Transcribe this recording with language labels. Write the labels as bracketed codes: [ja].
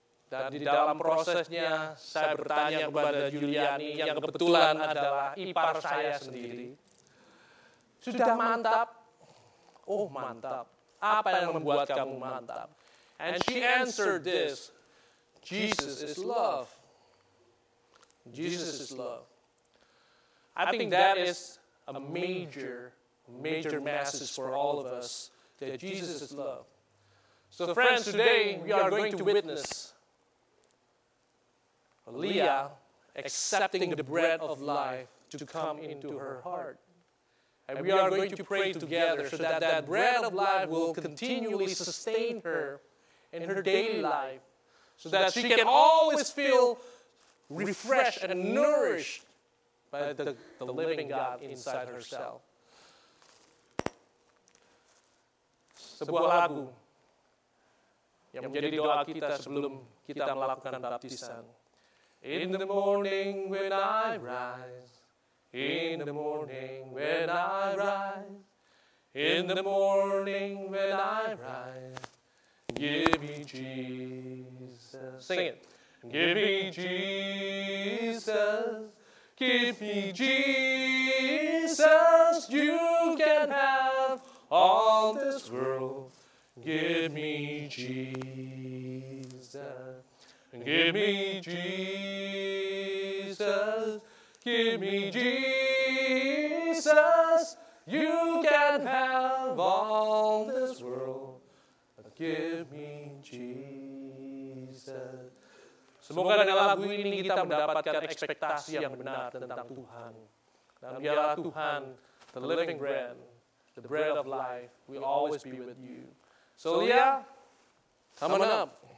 [id] Dan di dalam prosesnya, saya bertanya kepada Yuliani, yang kebetulan adalah ipar saya sendiri. "Sudah mantap?" "Oh, mantap. Apa yang membuat kamu mantap?" [en] And she answered this, "Jesus is love. Jesus is love." I think that is a major, major message for all of us, that Jesus is love. So friends, today we are going to witness Leah accepting the bread of life to come into her heart. And we are going to pray together so that that bread of life will continually sustain her in her daily life, so that she can always feel refreshed and nourished by the living God inside herself. [id] Sebuah lagu yang menjadi doa kita sebelum kita melakukan baptisan. [en] "In the morning when I rise, in the morning when I rise, in the morning when I rise, give me Jesus." Sing it. "Give me Jesus, give me Jesus, you can have all this world. Give me Jesus. Give me Jesus, give me Jesus, you can have all this world, give me Jesus." [id] Semoga dengan lagu ini kita mendapatkan ekspektasi yang benar tentang Tuhan. Dan biarlah Tuhan, [en] the living bread, the bread of life, will always be with you. So Leah, come on up.